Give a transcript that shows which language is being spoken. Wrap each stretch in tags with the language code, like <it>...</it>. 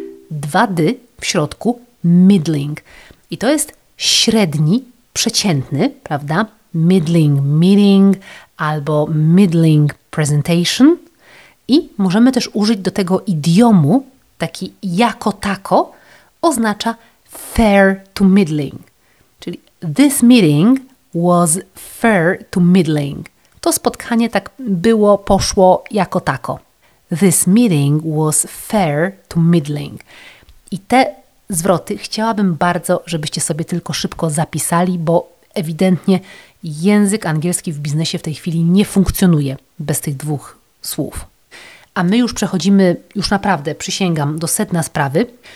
<pl>Dwa dy w środku, middling. I to jest średni, przeciętny, prawda?</pl> <en>Middling meeting</en> <pl>albo</pl> <en>middling presentation.</en> <pl>I możemy też użyć do tego idiomu, taki jako tako, oznacza</pl> <en>fair to middling.</en> <pl>Czyli</pl> <en>this meeting was fair to middling.</en> <pl>To spotkanie tak było, poszło jako tako.</pl> <en>This meeting was fair to middling.</en> <pl>I te zwroty chciałabym bardzo, żebyście sobie tylko szybko zapisali, bo ewidentnie język angielski w biznesie w tej chwili nie funkcjonuje bez tych dwóch słów. A my już przechodzimy, już naprawdę przysięgam, do sedna sprawy.</pl>